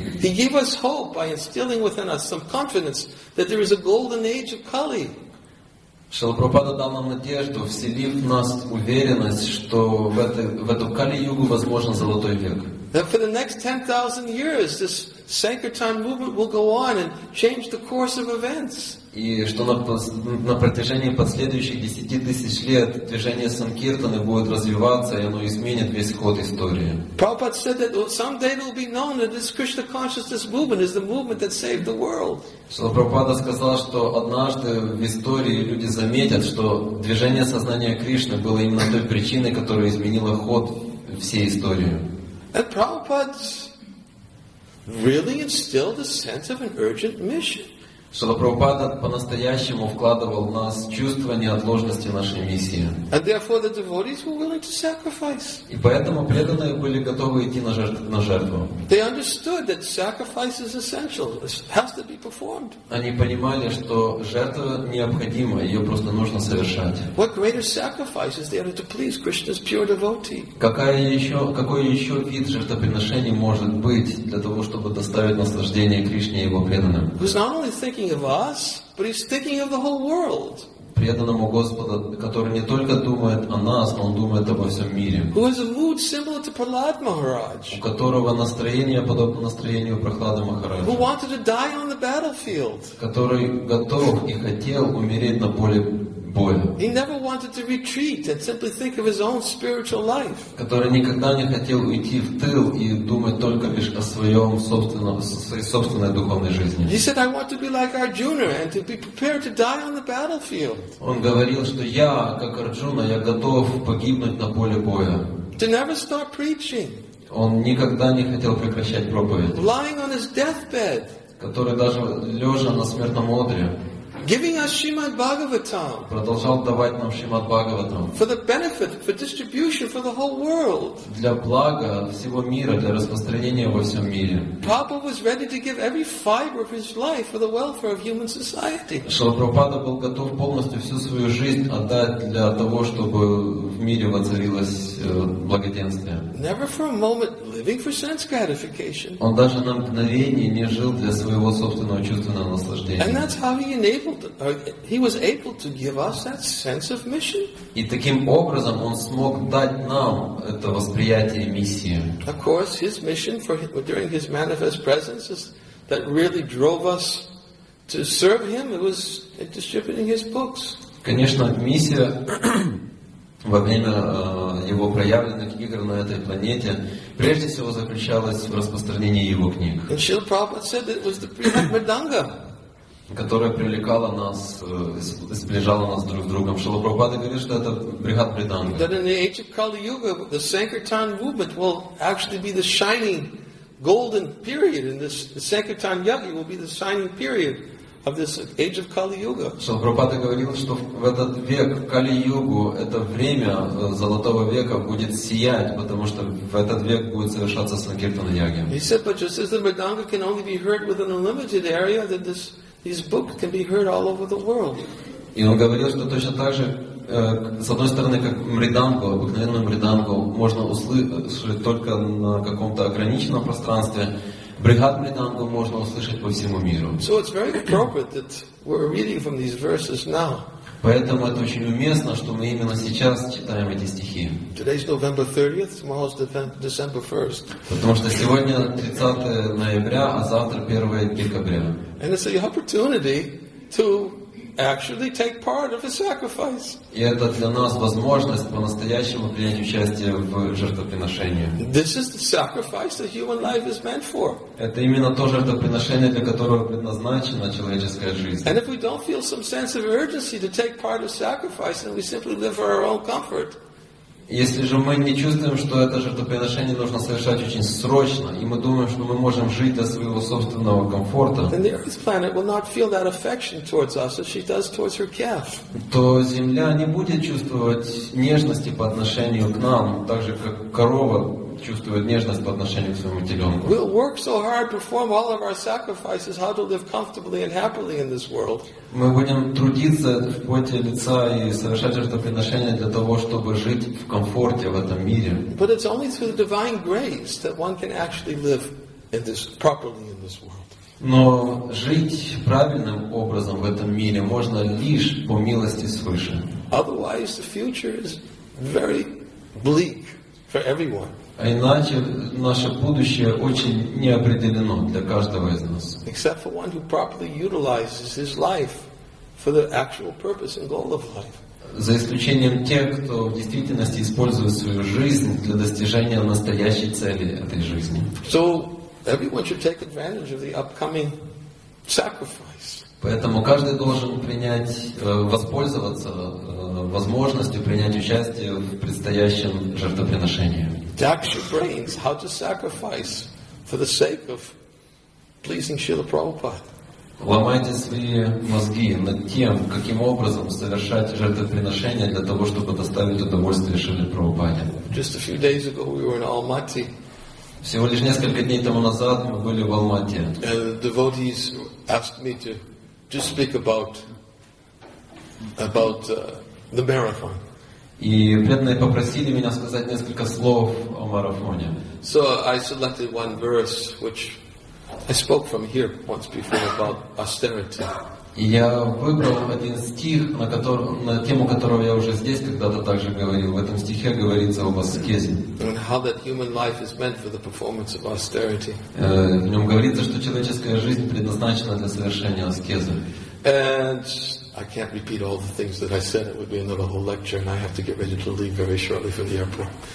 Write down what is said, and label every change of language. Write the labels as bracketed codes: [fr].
[en] He gave us hope by instilling within us some confidence that there is a golden age of Kali. [ru] Шрила Прабхупада дал нам надежду, вселив в нас уверенность, что в эту Кали-югу возможен золотой век. [en] That for the next 10,000 years this Sankirtan movement will go on and change the course of events. [ru] И что на протяжении последующих 10,000 лет движение Санкиртаны будет развиваться, и оно изменит весь ход истории. [en] Prabhupada said that someday it will be known that this Krishna consciousness movement is the movement that saved the world. [ru] Шрила Прабхупада сказал, что однажды в истории люди заметят, что движение сознания Кришны было именно той причиной, которая изменила ход всей истории. [en] And Prabhupada really instilled a sense of an urgent mission. [ru] Шрила Прабхупада по-настоящему вкладывал в нас чувство неотложности нашей миссии. [en] And therefore the devotees were willing to sacrifice. [ru] И поэтому преданные были готовы идти на жертву. [en] They understood that sacrifice is essential. It has to be performed. [ru] Они понимали, что жертва необходима, ее просто нужно совершать. [en] What greater sacrifice is there to please Krishna's pure devotee? [ru] Какой еще вид жертвоприношения может быть для того, чтобы доставить наслаждение Кришне и его преданным? [en] Thinking of us, but he's thinking of the whole world. [ru] Преданному Господу, который не только думает о нас, но он думает обо всем мире. [en] Who has a mood similar to Prahlad Maharaj? [ru] У которого настроение подобно настроению Прохлады Махараджа. [en] Who wanted to die on the battlefield? [ru] Который готов и хотел умереть на поле боя. [en] He never wanted to retreat and simply think of his own spiritual life. [ru] Который никогда не хотел уйти в тыл и думать только лишь о своем собственном, своей собственной духовной жизни. [en] He said, "I want to be like Arjuna and to be prepared to die on the battlefield." [ru] Он говорил, что я, как Арджуна, я готов погибнуть на поле боя. [en] To never stop preaching. [ru] Он никогда не хотел прекращать проповедь. [en] Lying on his deathbed. [ru] Который даже лежа на смертном одре. [en] Giving us Shrimad Bhagavatam. [ru] Продолжал давать нам Шримад Бхагаватам. [en] For the benefit, for distribution, for the whole world. [ru] Для блага всего мира, для распространения во всем мире. [en] Prabhupada was ready to give every fiber of his life for the welfare of human society. [ru] Шрила Прабхупада был готов полностью всю свою жизнь отдать для того, чтобы в мире воцарилось благоденствие. [en] Never for a moment living for sense gratification. [ru] Он даже на мгновение не жил для своего собственного чувственного наслаждения. [en] And that's how he was able to give us that sense of mission. [ru] И таким образом он смог дать нам это восприятие миссии. [en] Of course, his mission during his manifest presence is that really drove us To serve him, it was distributing his books. [ru] Конечно, миссия во время его проявленных игр на этой планете прежде всего заключалась в распространении его книг. [en] And Srila Prabhupada said that it was the Prihat Mridanga. [ru] Которая привлекала нас, сближала нас друг с другом. Шрила Прабхупада говорит, что это Брихат Мриданга. [en] That in the age of Kali Yuga, the Sankirtan movement will actually be the shining golden period in this. The Sankirtan Yuga will be the shining period of this age of Kali Yuga. [ru] Шрила Прабхупада говорил, что в этот век Kali Yuga, это время золотого века будет сиять, потому что в этот век будет совершаться Санкиртана Яги. [en] He said, but just as the Мриданга can only be heard within a limited area, that this these books can be heard all over the world. [ru] И он говорил, что точно так же, с одной стороны, как мриданго, обыкновенную мриданго, можно услышать только на каком-то ограниченном пространстве, брихат мриданго можно услышать по всему миру. [en] So it's very appropriate that we're reading from these verses now. [ru] Поэтому это очень уместно, что мы именно сейчас читаем эти стихи. [en] Today's November 30th, tomorrow's December 1st. [ru] Потому что сегодня 30 ноября, а завтра 1 декабря. [en] And it's an opportunity to actually take part of a sacrifice. [ru] И это для нас возможность по-настоящему принять участие в жертвоприношении. [en] This is the sacrifice that human life is meant for. [ru] Это именно то жертвоприношение, для которого предназначена человеческая жизнь. [en] And if we don't feel some sense of urgency to take part of sacrifice, then we simply live for our own comfort. [ru] Если же мы не чувствуем, что это жертвоприношение нужно совершать очень срочно, и мы думаем, что мы можем жить для своего собственного комфорта, то Земля не будет чувствовать нежности по отношению к нам, так же, как корова чувствует нежность по отношению к своему теленку. [en] We'll work so hard, perform all of our sacrifices, how to live comfortably and happily in this world. [ru] Мы будем трудиться в поте лица и совершать жертвоприношения для того, чтобы жить в комфорте в этом мире. [en] But it's only through the divine grace that one can actually live in this properly in this world. [ru] Но жить правильным образом в этом мире можно лишь по милости свыше. [en] Otherwise, the future is very bleak for everyone. [ru] А иначе наше будущее очень неопределено для каждого из нас. [en] Except for one who properly utilizes his life for the actual purpose and goal of life. [ru] За исключением тех, кто в действительности использует свою жизнь для достижения настоящей цели этой жизни. [en] So everyone should take advantage of the upcoming sacrifice. [ru] Поэтому каждый должен воспользоваться возможностью принять участие в предстоящем жертвоприношении. [en] Daksha brains, how to sacrifice for the sake of pleasing Srila Prabhupada. [ru] Ломайте свои мозги над тем, каким образом совершать жертвоприношение для того, чтобы доставить удовольствие Шриле Прабхупаде. [en] Just a few days ago we were in Almaty. [ru] Всего лишь несколько дней тому назад мы были в Алмате. [en] And the devotees asked me to just speak about the marathon. [ru] И преданные попросили меня сказать несколько слов о марафоне. [en] So I selected one verse, which I spoke from here once before about austerity. [ru] И я выбрал один стих, на тему которого я уже здесь когда-то также говорил. В этом стихе говорится об аскезе. [en] And how that human life is meant for the performance of austerity. [ru] В нем говорится, что человеческая жизнь предназначена для совершения аскезы. [en] And I can't repeat all the things that I said. It would be another whole lecture, and I have to get ready to leave very shortly for the airport.